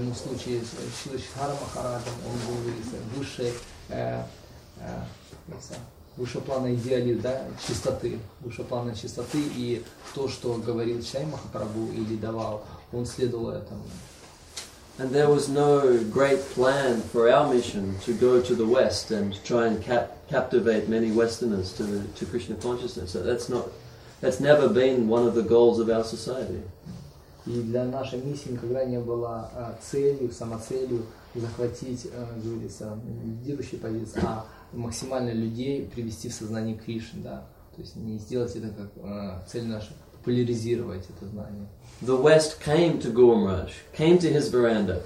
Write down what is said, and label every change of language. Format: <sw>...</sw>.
<ru>но в случае с Шрила Сридхара Махараджем, он говорит о высшем плане идеали, да, чистоты, высшего плана чистоты, и то, что говорил Чай Махапрабху или давал, он следовал этому.</ru> <en>And there was no great plan for our mission to go to the West and try and captivate many Westerners to Krishna consciousness. So that's never been one of the goals of our society.</en> <ru>И для нашей миссии никогда не было целью, самоцелью захватить, говорится, лидирующие позиции, а максимально людей привести в сознание Кришны, да. То есть не сделать это как цель наша, популяризировать это знание.</ru> <en>The West came to Guru Maharaj, came to his veranda.</en>